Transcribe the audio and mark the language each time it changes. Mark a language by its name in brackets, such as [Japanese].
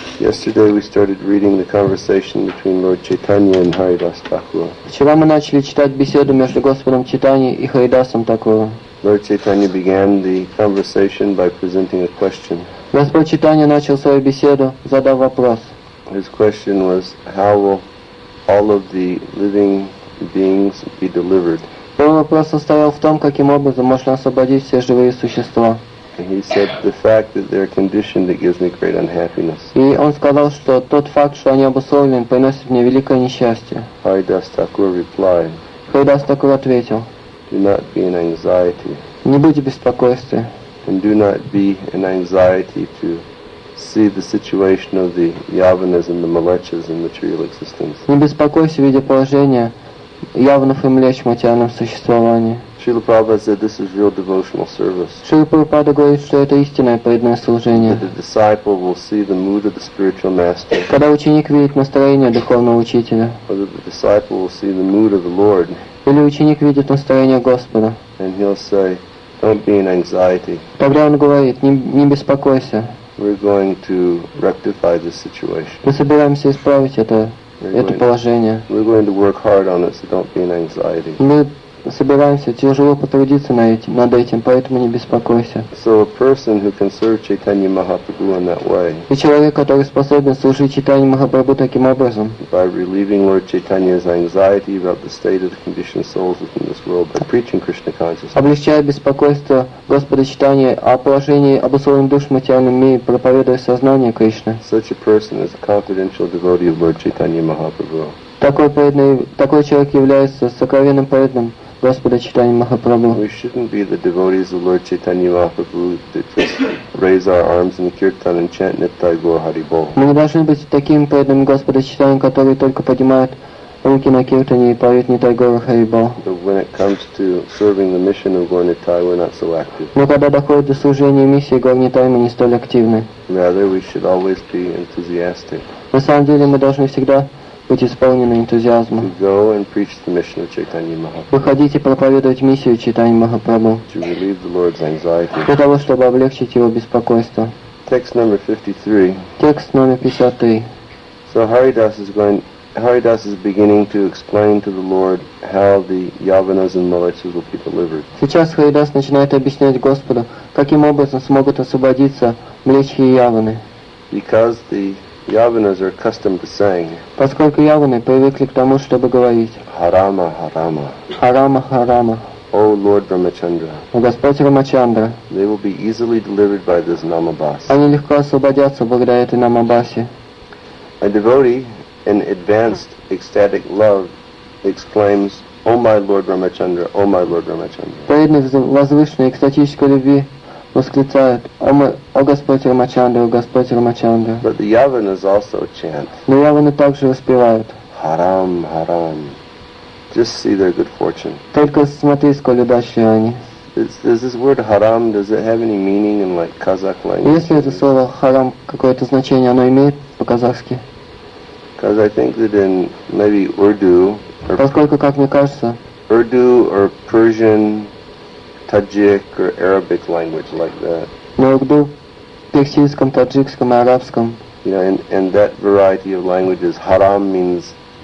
[English] Yesterday we started reading the conversation between Lord Chaitanya and Haridas Thakur. [Russian] Вчера мы начали читать беседу между Господом Чайтани и Харидасом Такур. [English] Lord Chaitanya began the conversation by presenting a question. [Russian] Господь Чайтани начал свою беседу, задав вопрос. [English] His question was, how will all of the living beings be delivered? [Russian] Его вопрос состоял в том, каким образом можно освободить все живые существа. [English] He said the fact that they're conditioned it gives me great unhappiness. [Russian] И он сказал, что тот факт, что они обусловлены, приносит мне великое несчастье. [English] Haridas Thakur replied. [Russian] Haridas Thakur ответил. [English] Do not be in anxiety. [Russian] Не будьте беспокойствие. [English] And do not be in anxiety to see the situation of the yavanas and the mlechas in material existence. [Russian] Не беспокойся, видя положение явнов и млеч в материальном существовании. [English] Srila Prabhupada said this is real devotional service. [Russian] Srila Prabhupada говорит, что это истинное преданное служение. [English] That the disciple will see the mood of the spiritual master. [Russian] Когда ученик видит настроение духовного учителя. [English] Or that the disciple will see the mood of the Lord. [Russian] Или ученик видит настроение Господа. [English] And he'll say, don't be in anxiety. [Russian] Тогда он говорит, не беспокойся. [English] We're going to rectify this situation. [Russian] Мы собираемся исправить это положение. [English] We're going to work hard on it, so don't be in anxiety. [Russian] Собираемся тяжело потрудиться над этим, поэтому не беспокойся. [English] So a person who can serve Chaitanya Mahaprabhu in that way. [Russian] И человек, который способен служить Чайтанье Махапрабху таким образом. [English] By relieving Lord Chaitanya's anxiety about the state of the conditioned souls within this world by preaching Krishna consciousness. [Russian] Облегчая беспокойство Господа Чайтанье о положении обусловленных душ в материальном мире, проповедуя сознание Кришны. [English] Such a person is a confidential devotee of Lord Chaitanya Mahaprabhu. [Russian] Такой человек является сокровенным преданным Господа Чайтанья Махапрабху. [English] We shouldn't be the devotees of Lord Chaitanya Mahaprabhu that just raise our arms in kirtan and chant Nittai Gaur Hari Bol. [Russian] Мы не должны быть таким преданным Господа Чайтанья, который только поднимает руки на киртане и поет Нитай Гаура Хари Бол. [English] But when it comes to serving the mission of Gaur Nittai, we're not so active. [Russian] Но когда доходит до служения миссии Гаур Нитай, мы не столь активны. [English] Rather, we should always be enthusiastic. [Russian] На самом деле, мы должны всегда быть исполнены энтузиазмом. [English] To go and preach the mission of Chaitanya Mahaprabhu. [Russian] Выходите проповедовать миссию Чайтанья Махапрабху. [English] To relieve the Lord's anxiety. [Russian] Для того, чтобы облегчить его беспокойство. [English] Text number 53. [Russian] Текст номер 53. [English] So Haridas is beginning to explain to the Lord how the yavanas and mlechas will be delivered. [Russian] Сейчас Харидас начинает объяснять Господу, каким образом смогут освободиться млечхи и яваны. [English] Because the Yavanas are accustomed to saying. [Russian] Поскольку яваны привыкли к тому, чтобы говорить. Харама, харама. Харама, харама. [English] O Lord Brahmachandra. [Russian] О Господь Рамачандра. [English] They will be easily delivered by this Namabhas. [Russian] Они легко освободятся благодаря этой Намабасе. [English] A devotee in advanced ecstatic love exclaims, O my Lord Brahmachandra, O my Lord Brahmachandra. [Russian] Преданный в возвышенной экстатической любви восклицают, о Господь Рамачандра, о Господь Рамачандра. [English] But the yavanas also chant. [Russian] Но яваны также воспевают. Харам, харам. [English] Just see their good fortune. [Russian] Только смотри, сколь удачливы они. [English] Does this word харам, does it have any meaning in like Kazakh language? [Russian] Если это слово харам какое-то значение, оно имеет по-казахски? [English] Because I think that in maybe Urdu, or [Russian] поскольку, как мне кажется, [English] Urdu or Persian, Таджик or Arabic language like that. [Russian] Но в персидском, таджикском и арабском. [English] You know, in that variety of languages, haram means